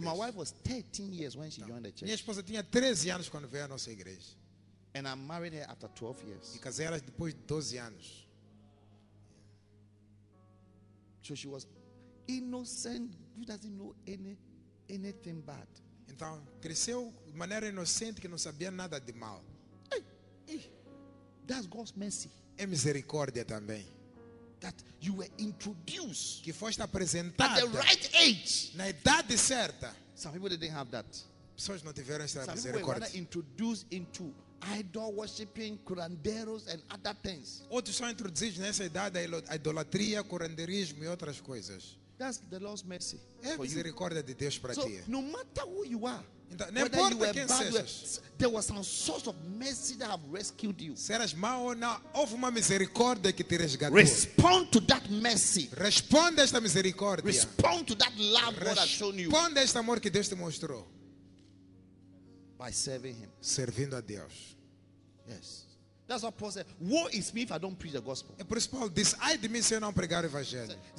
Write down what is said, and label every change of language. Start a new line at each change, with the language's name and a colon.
English: So my wife was 13 years when she joined the church.
Portuguese: Minha esposa tinha 13 anos quando veio à nossa igreja.
English: And I married her after 12 years.
Portuguese: E casei ela depois de 12 anos.
English: So she was innocent, who doesn't know anything bad.
Portuguese: Então cresceu de maneira inocente que não sabia nada de mal.
English: That's God's mercy.
Portuguese: É misericórdia também.
English: That you were introduced,
Portuguese: que foste apresentado
English: at the right age,
Portuguese: na idade certa.
English: Some people didn't have that.
Portuguese: Pessoas não tiveram essa misericórdia.
English: Some people were rather introduced into idol worshiping, curanderos and other things.
Portuguese: Outros são introduzidos nessa idade à idolatria, curanderismo e outras coisas.
English: That's the Lord's mercy.
Portuguese: É misericórdia de Deus para ti.
English: No matter who you are.
Portuguese: Então, não importa quem sejas,
English: there was some source of mercy that have rescued you.
Portuguese: Serás mau ou não, houve uma misericórdia que te resgatou.
English: Respond to that mercy.
Portuguese: Responde a esta misericórdia.
English: Respond to that love God has shown you.
Portuguese: Responde a este amor que Deus te mostrou.
English: By serving Him.
Portuguese: Servindo a Deus.
English: Yes. That's what Paul said. Woe is me if I don't preach the gospel.
Portuguese: É por isso Paulo diz, ai de mim se eu não pregar o evangelho.